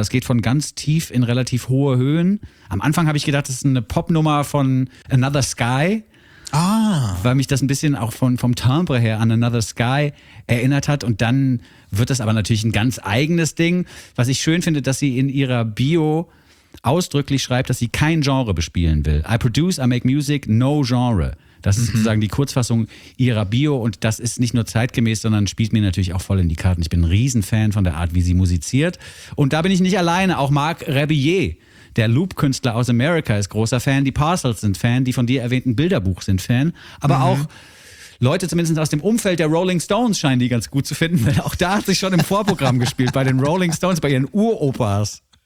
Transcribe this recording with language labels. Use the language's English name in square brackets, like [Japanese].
[German] Das geht von ganz tief in relativ hohe Höhen. Am Anfang habe ich gedacht, das ist eine Popnummer von Another Sky. Ah. Weil mich das ein bisschen auch vom Timbre her an Another Sky erinnert hat. Und dann wird das aber natürlich ein ganz eigenes Ding. Was ich schön finde, dass sie in ihrer Bio ausdrücklich schreibt, dass sie kein Genre bespielen will. [English] I produce, I make music, no genre. [German] Das ist sozusagen die Kurzfassung ihrer Bio, und das ist nicht nur zeitgemäß, sondern spielt mir natürlich auch voll in die Karten. Ich bin ein Riesenfan von der Art, wie sie musiziert. Und da bin ich nicht alleine. Auch Marc Rebillet, der Loop-Künstler aus Amerika, ist großer Fan. Die Parcels sind Fan, die von dir erwähnten Bilderbuch sind Fan. Aber auch Leute zumindest aus dem Umfeld der Rolling Stones scheinen die ganz gut zu finden, weil auch da hat sich schon im Vorprogramm gespielt, bei den Rolling Stones, bei ihren Uropas.